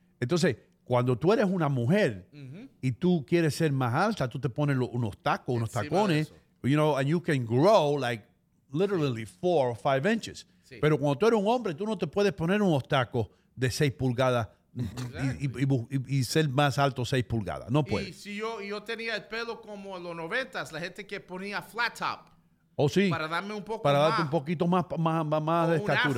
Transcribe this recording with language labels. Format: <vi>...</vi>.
<es>Entonces, cuando tú eres una mujer y tú quieres ser más alta, tú te pones unos tacos, unos tacones,</es> <en>you know, and you can grow like literally 4 or 5 inches.</en> <es>Sí. Pero cuando tú eres un hombre, tú no te puedes poner un obstáculo de 6 pulgadas.</es> <en>Exactly.</en> <es>Y ser más alto 6 pulgadas. No puede. Y si yo tenía el pelo como en los 90s, la gente que ponía flat top. Oh, sí. Para darme un poco para más. Para darte un poquito más de estatura.</es>